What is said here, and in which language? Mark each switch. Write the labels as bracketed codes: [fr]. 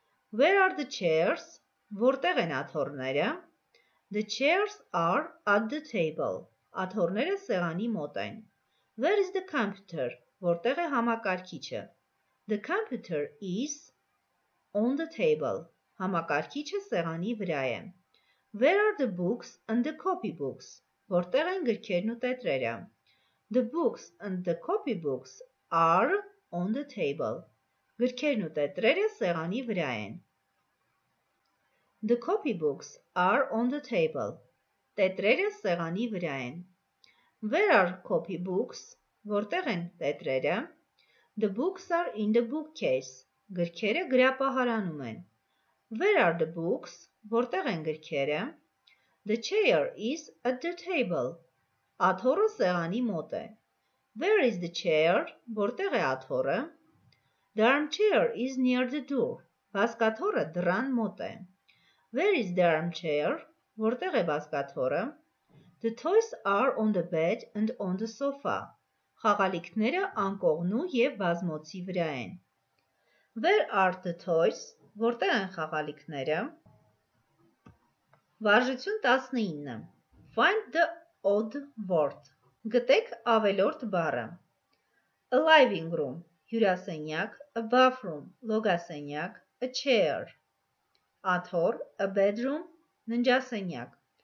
[en] Where are the chairs? [hy] Որտեղ են աթոռները? [en] The chairs are at the table. [hy] Աթոռները սեղանի մոտ են. [en] Where is the computer? [hy] Որտեղ է համակարգիչը? [en] The computer is on the table. [hy] Համակարգիչը սեղանի վրա է. [en] Where are the books and the copy books? [hy] Որտեղ են գրքերն ու տետրերը? [en] The books and the copy books are on the table. [hy] Գրքերն ու տետրերը սեղանի վրա են. [en] The copy books are on the table. [hy] Տետրերը սեղանի վրա են. [en] Where are copy books? [hy] Որտեղ են տետրերը? [en] The books are in the bookcase. [hy] Գրքերը գրապահարանում են. [en] Where are the books? [hy] Որտեղ են գրքերը? [en] The chair is at the table. [hy] Աթոռը սեղանի մոտ է. [en] Where is the chair? [hy] Որտեղ է աթոռը? [en] The armchair is near the door. [hy] Բազկաթոռը դռան մոտ է. [en] Where is the armchair? [hy] Որտեղ է բազկաթոռը? [en] The toys are on the bed and on the sofa. [hy] Խաղալիքները անկողնու և բազմոցի վրա են. [en] Where are the toys? [hy] Որտեղ են խաղալիքները? Վարժություն 19. [en] Find the odd word. [hy] Գտեք ավելորդ բառը. [en] A living room. Հյուրասենյակ. A bathroom. Լոգասենյակ. A chair. Աթոռ. A bedroom. Ննջասենյակ.